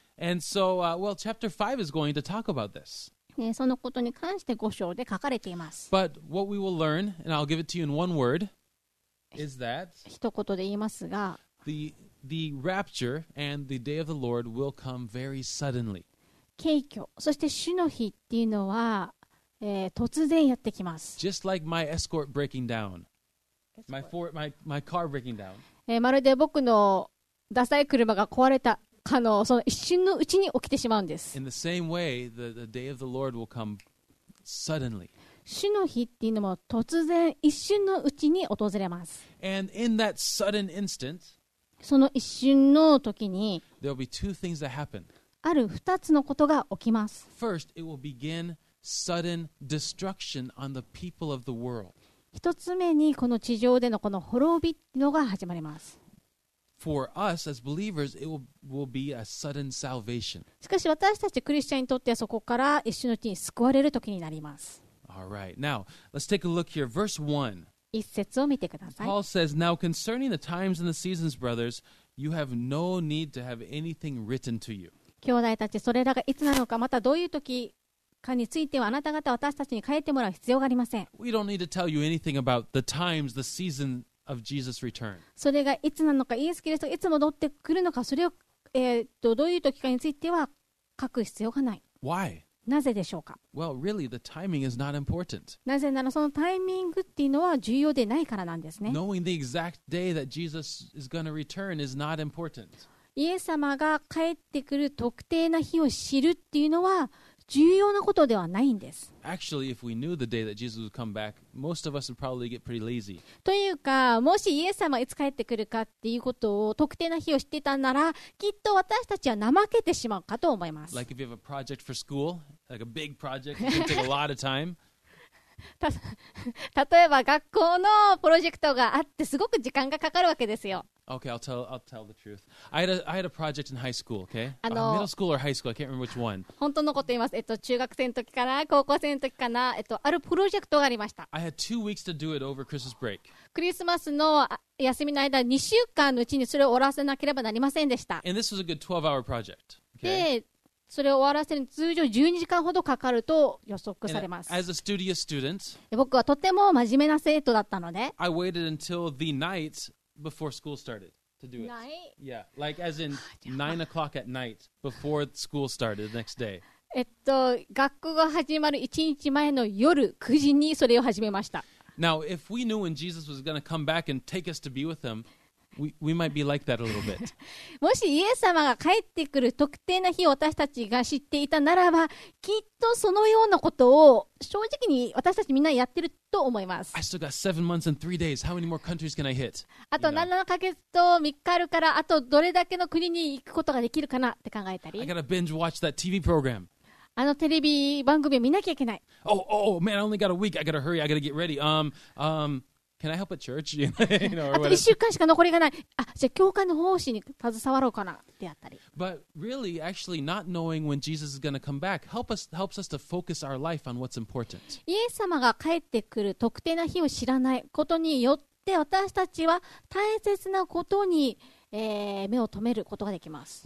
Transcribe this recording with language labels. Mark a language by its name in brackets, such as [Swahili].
[English] And so, well, chapter 5 is going to talk about this. [Japanese] そのことに関して5章で書かれています。 [English] But what we will learn, and I'll give it to you in one word, is that [Japanese] 一言で言いますが、 [English] the rapture and the day of the Lord will come very suddenly. [Japanese] 景況、そして主の日っていうのは、突然やってきます。 [English] Just like my escort breaking down, my car breaking down. [Japanese] まるで僕のダサい車が壊れた。その一瞬のうちに起きてしまうんです。 [English] In the same way, the day of the Lord will come suddenly. [Japanese] 主の日っていうのも突然一瞬のうちに訪れます。 [English] And in that sudden instant, [Japanese] その一瞬の時に [English] there'll be two things that happen. [Japanese] ある二つのことが起きます。 [English] First, it will begin sudden destruction on the people of the world. [Japanese] 一つ目にこの地上でのこの滅びっていうのが始まります。 [English] For us as believers, it will be a sudden salvation. [Japanese] しかし私たちクリスチャンにとってはそこから一瞬のうちに救われる時になります。 [English] All right. Now, let's take a look here. Verse 1. [Japanese] 一節を見てください。 [English] Paul says, Now concerning the times and the seasons, brothers, you have no need to have anything written to you. [Japanese] 兄弟たち、それらがいつなのか、またどういう時かについては、あなた方は私たちに書いてもらう必要がありません。 [English] We don't need to tell you anything about the times, the season of Jesus' return. [Japanese] それがいつなのか、イエス・キリストがいつ戻ってくるのか、それを、どういう時かについては書く必要がない。 [English] Why? [Japanese] なぜでしょうか? [English] Well, really, the timing is not important. [Japanese] なぜならそのタイミングっていうのは重要でないからなんですね。 [English] Knowing the exact day that Jesus is going to return is not important. [Japanese] イエス様が帰ってくる特定な日を知るっていうのは重要なことではないんです。 [English] Actually, if we knew the day that Jesus would come back, most of us would probably get pretty lazy. [Japanese] というか、もしイエス様がいつ帰ってくるかっていうことを特定な日を知ってたなら、きっと私たちは怠けてしまうかと思います。 [English] Like if you have a project for school, like a big project, it can take a lot of time. [Japanese] 例えば学校のプロジェクトがあってすごく時間がかかるわけですよ。 [English] Okay, I'll tell the truth. I had a project in high school, okay? Middle school or high school, I can't remember which one. [Japanese] 本当のこと言います。中学生の時かな、高校生の時かな、あるプロジェクトがありました。 [English] I had 2 weeks to do it over Christmas break. [Japanese] クリスマスの休みの間、2週間のうちにそれを終わらせなければなりませんでした。 [English] And this was a good 12-hour project, okay? [Japanese] で、それを終わらせるに通常12時間ほどかかると予測されます。 [English] And as a studious student, [Japanese] 僕はとても真面目な生徒だったので、 [English] I waited until the night... Before school started to do it. Night? Yeah, like as in 9 o'clock at night before school started the next day. [Japanese] 学校が始まる1日前の夜9時にそれを始めました。 [English] Now, if we knew when Jesus was going to come back and take us to be with him, we might be like that a little bit. [Japanese] もしイエス様が帰ってくる特定な日を私たちが知っていたならば、きっとそのようなことを正直に私たちみんなやってると思います。 [English] I still got 7 months and 3 days. How many more countries can I hit? [Japanese] あと7ヶ月と3日あるから、あとどれだけの国に行くことができるかなって考えたり。 [English] I gotta binge watch that TV program. [Japanese] あのテレビ番組を見なきゃいけない。 [English] Oh man, I only got a week. I gotta hurry. I gotta get ready. Can I help at church? You know, [Japanese] あと1週間しか残りがない。あ、じゃあ教会の奉仕に携わろうかなってやったり。 [English] But really, actually, not knowing when Jesus is going to come back helps us to focus our life on what's important. [Japanese] イエス様が帰ってくる特定な日を知らないことによって私たちは大切なことに、目を留めることができます。